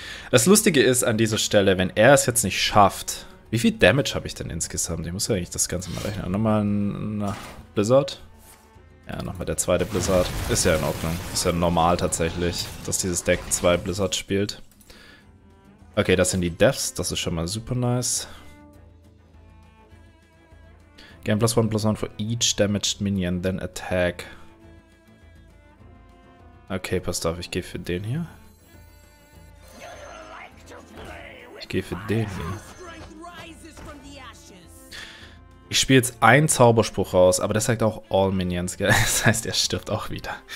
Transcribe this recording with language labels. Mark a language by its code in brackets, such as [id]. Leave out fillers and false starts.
[de] Das Lustige ist an dieser Stelle, wenn er es jetzt nicht schafft, wie viel Damage habe ich denn insgesamt? Ich muss ja eigentlich das Ganze mal rechnen. Nochmal ein Blizzard. Ja, nochmal der zweite Blizzard. Ist ja in Ordnung. Ist ja normal tatsächlich, dass dieses Deck zwei Blizzards spielt. Okay, das sind die Deaths. Das ist schon mal super nice. [en] Gain plus one for each damaged minion, then attack. [de] Okay, passt auf, ich gehe für den hier. Ich gehe für den hier. Ich spiele jetzt einen Zauberspruch raus, aber das sagt auch all minions, gell? Das heißt, er stirbt auch wieder.